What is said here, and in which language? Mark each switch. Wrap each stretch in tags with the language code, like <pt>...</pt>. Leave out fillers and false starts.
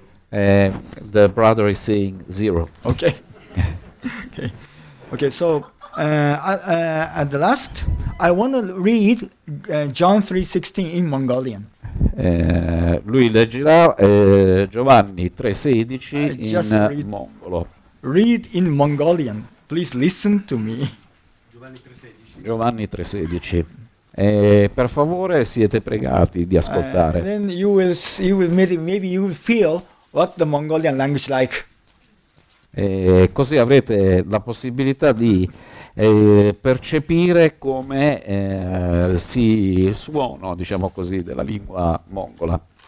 <en>The brother is saying zero. Okay. Okay. So at the last, I want to read John 3:16 in Mongolian.</en> <it>Lui leggerà Giovanni 3:16 in mongolo.</it> <en>Read in Mongolian. Please listen to me.</en> <it>Giovanni 3:16. Per favore siete pregati di ascoltare.</it> <en>Then you will feel what the Mongolian language like.</en> <it>Così avrete la possibilità di percepire come si il suono, diciamo così, della lingua mongola.</it>